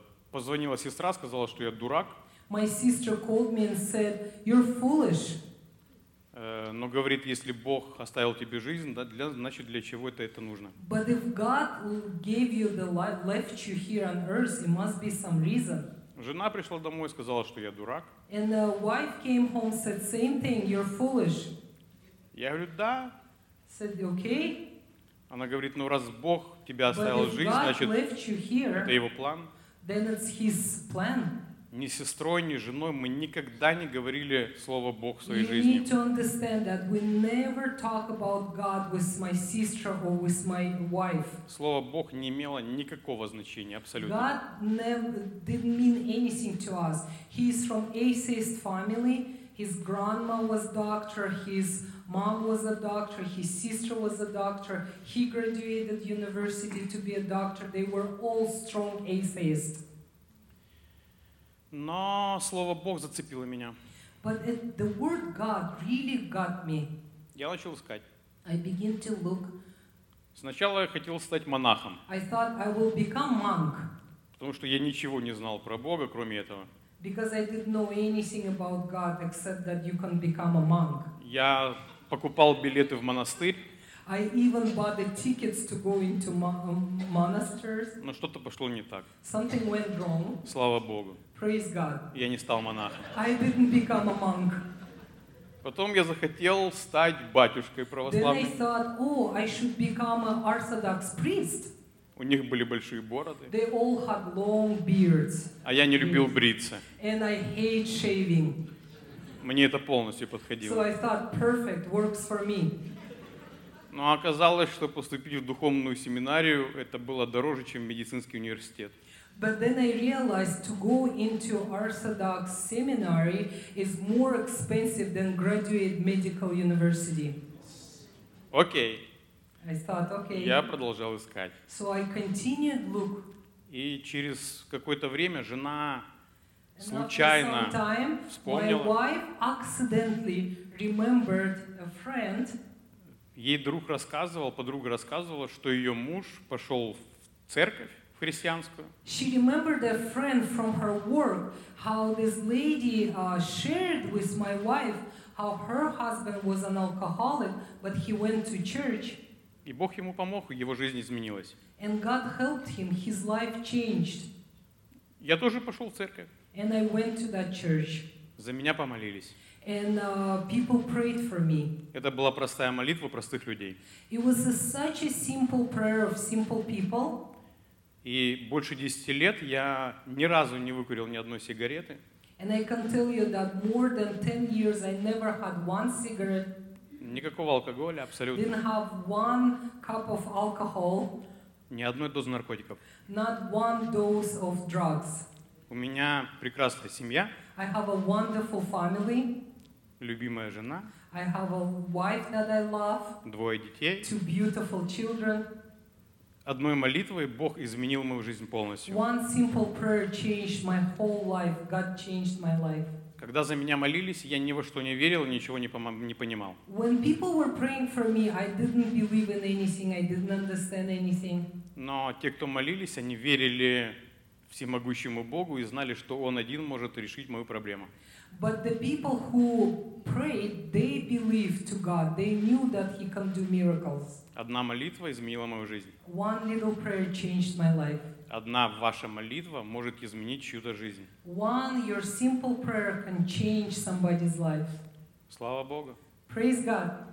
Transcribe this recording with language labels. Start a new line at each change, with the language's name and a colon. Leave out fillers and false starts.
Russian: Позвонила сестра, сказала, что я дурак.
English: My sister called me and said, "You're foolish."
Russian: Но говорит, если Бог оставил тебе жизнь, да, значит, для чего это нужно?
English: But if God gave you the life, left you here on earth, it must be some reason.
Russian: Жена пришла домой и сказала, что я дурак.
English: And the wife came home and said same thing, you're foolish.
Russian: Я говорю, да.
English: Said, okay.
Russian: Она говорит, ну раз Бог тебя оставил жизнь, значит,
English: here,
Russian: это его план.
English: Then it's his plan.
Russian: Ни сестрой, ни женой мы никогда не говорили слово Бог в своей жизни.
English: You need to understand that we never talk about God with my sister or with my wife.
Russian: Слово Бог не имело никакого значения абсолютно.
English: God didn't mean anything to us. He is from atheist family. His grandma was doctor. His mom was a doctor. His sister was a doctor. He graduated university to be a doctor. They were all strong atheists.
Russian: Но слово Бог зацепило меня.
English: But the word God really got me.
Russian: Я начал искать.
English: I begin to look.
Russian: Сначала я хотел стать монахом.
English: I thought I will become monk.
Russian: Потому что я ничего не знал про Бога, кроме этого.
English: Because I didn't know anything about God except that you can become a monk.
Russian: Я покупал билеты в монастырь.
English: I even bought the tickets to go into monasteries.
Russian: Но что-то пошло не так.
English: Something went wrong.
Russian: Слава Богу.
English: Praise God.
Russian: Я не стал монахом.
English: I didn't become a monk.
Russian: Потом я захотел стать батюшкой православным.
English: Then I thought, I should become an Orthodox priest.
Russian: У них были большие бороды.
English: They all had long beards.
Russian: А я не любил бриться.
English: And I hate shaving.
Russian: Мне это полностью подходило.
English: So I thought, perfect, works for me.
Russian: Но оказалось, что поступить в духовную семинарию это было дороже, чем медицинский университет.
English: But then I realized to go into Orthodox seminary is more expensive than graduate medical university.
Russian: Окей.
English: I thought, okay.
Russian: Я продолжал искать.
English: So I continued look.
Russian: И через какое-то время жена случайно вспомнила.
English: My wife accidentally remembered a friend.
Russian: Ей друг рассказывал, подруга рассказывала, что ее муж пошел в церковь в христианскую.
English: She remembered a friend from her work, how this lady shared with my wife how her husband was an alcoholic, but he went to church.
Russian: И Бог ему помог, и его жизнь изменилась.
English: And God helped him, his life changed.
Russian: Я тоже пошел в церковь.
English: And I went to that church.
Russian: За меня помолились.
English: And people prayed for me.
Russian: Это была простая молитва простых людей.
English: It was such a simple prayer of simple people.
Russian: И больше 10 лет я ни разу не выкурил ни одной сигареты.
English: And I can tell you that more than 10 years I never had one cigarette.
Russian: Никакого алкоголя абсолютно.
English: Didn't have one cup of alcohol.
Russian: Ни одной дозы наркотиков.
English: Not one dose of drugs.
Russian: У меня прекрасная семья.
English: I have a wonderful family.
Russian: Любимая жена.
English: I have a wife that I love.
Russian: Двое детей.
English: Two beautiful children.
Russian: Одной молитвой Бог изменил мою жизнь полностью.
English: One simple prayer changed my whole life. God changed my life.
Russian: Когда за меня молились, я ни во что не верил, ничего не понимал.
English: When people were praying for me, I didn't believe in anything, I didn't understand anything.
Russian: Но те, кто молились, они верили всемогущему Богу и знали, что Он один может решить мою проблему.
English: But the people who prayed, they believed to God. They knew that He can do miracles.
Russian: Одна молитва изменила мою жизнь.
English: One little prayer changed my life.
Russian: Одна ваша молитва может изменить чью-то жизнь.
English: One your simple prayer can change somebody's life.
Russian: Слава Богу.
English: Praise God.